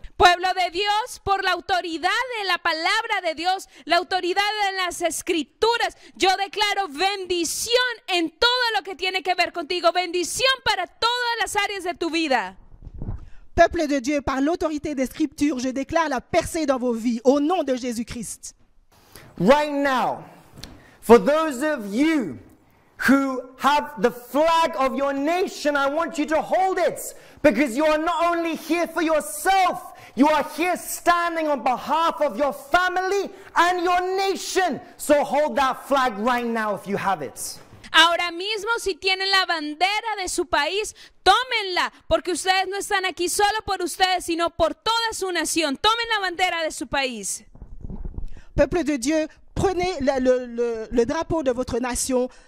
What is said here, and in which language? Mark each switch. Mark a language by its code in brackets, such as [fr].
[es] Pueblo de Dios, por la autoridad de la palabra de Dios, la autoridad en las escrituras, yo declaro bendición en todo lo que tiene que ver contigo, bendición para todas las áreas de tu vida. [fr] Peuple de Dieu, par l'autorité des scriptures, je déclare la percée dans vos vies, au nom de Jésus-Christ. [en] Right now, for those of you who have the flag of your nation, I want you to hold it, because you are not only here for yourself, you are here standing on behalf of your family and your nation. So hold that flag right now if you have it. [es] Ahora mismo, si tienen la bandera de su país, tómenla, porque ustedes no están aquí solo por ustedes, sino por toda su nación. Tomen la bandera de su país. [fr] Peuple de Dieu, prenez le drapeau de votre nation.